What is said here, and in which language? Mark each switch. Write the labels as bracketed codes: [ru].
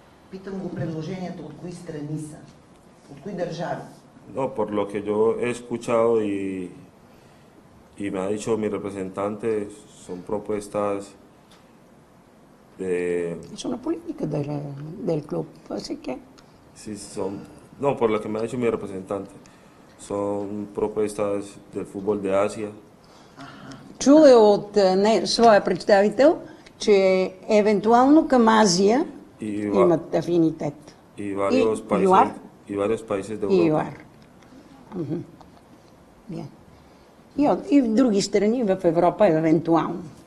[bg] Питам го предложението от кои страни са, от кои държави. [es] No, por lo que yo he escuchado y me ha dicho mi representante, son propuestas de... Es una política del club, así que... Sí, son... No, por lo que me ha dicho mi representante, son propuestas del fútbol de Asia. [bg] Чуле от своя представител, че евентуално към Азия имат афинитет. [es] И varios países. И varios países de Europa. [bg] И в други страни в Европа евентуално.